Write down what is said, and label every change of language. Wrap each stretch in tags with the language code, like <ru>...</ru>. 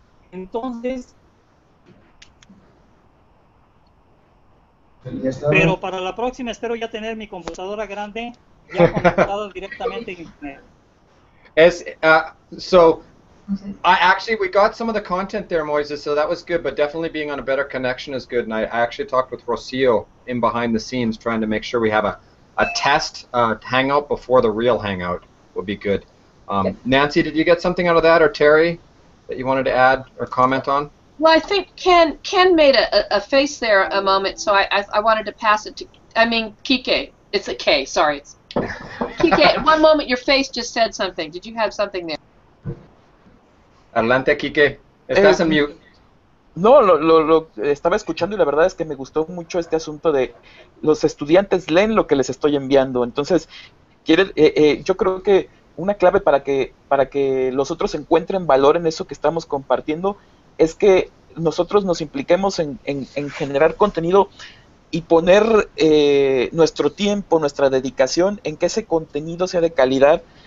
<es>Entonces, pero para la próxima espero ya tener mi computadora grande ya conectada directamente en internet.</es> <en>I actually, we got some of the content there, Moises, so that was good, but definitely being on a better connection is good, and I actually talked with Rocio in behind the scenes trying to make sure we have a test hangout before the real hangout would be good. Nancy, did you get something out of that, or Terry, that you wanted to add or comment on? Well, I think Ken made a face there a moment, so I wanted to pass it to, Kike, it's a K, sorry. Kike, one moment, your face just said something. Did you have something there?</en> <es>Adelante, Kike. Estás en mute. No, lo estaba escuchando y la verdad es que me gustó mucho este asunto de los estudiantes leen lo que les estoy enviando. Entonces, yo creo que una clave para que los otros encuentren valor en eso que estamos compartiendo es que nosotros nos impliquemos en generar contenido y poner nuestro tiempo, nuestra dedicación en que ese contenido sea de calidad.</es>